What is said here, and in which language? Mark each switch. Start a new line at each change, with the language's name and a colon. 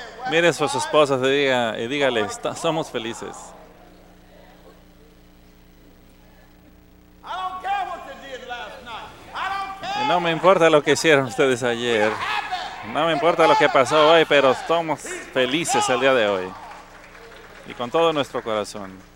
Spanish: Miren a sus esposas y dígale, somos felices.
English: I don't care what they did last
Spanish: No me importa lo que hicieron ustedes ayer. No me importa lo que pasó hoy, pero estamos felices el día de hoy. Y con todo nuestro corazón.